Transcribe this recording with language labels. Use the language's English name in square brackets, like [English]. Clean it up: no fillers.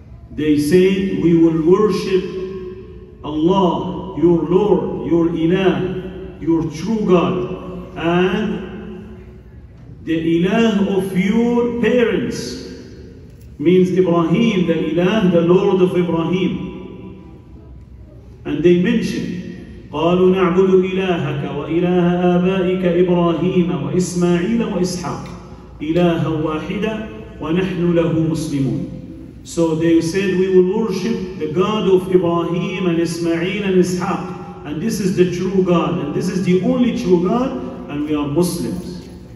[English] They said, we will worship Allah, your Lord, your Ilah, your true God, and the Ilah of your parents. Means Ibrahim, the Ilah, the Lord of Ibrahim. And they mentioned, [Arabic] قَالُوا نَعْبُدُ إِلَٰهَكَ وَإِلَٰهَ آبَائِكَ إِبْرَاهِيمَ وَإِسْمَاعِيلَ وَإِسْحَاقَ إِلَٰهَ وَاحِدَ وَنَحْنُ لَهُ مُسْلِمُونَ. [English] So they said, we will worship the God of Ibrahim and Ismail and Ishaq. And this is the true God. And this is the only true God. And we are Muslims.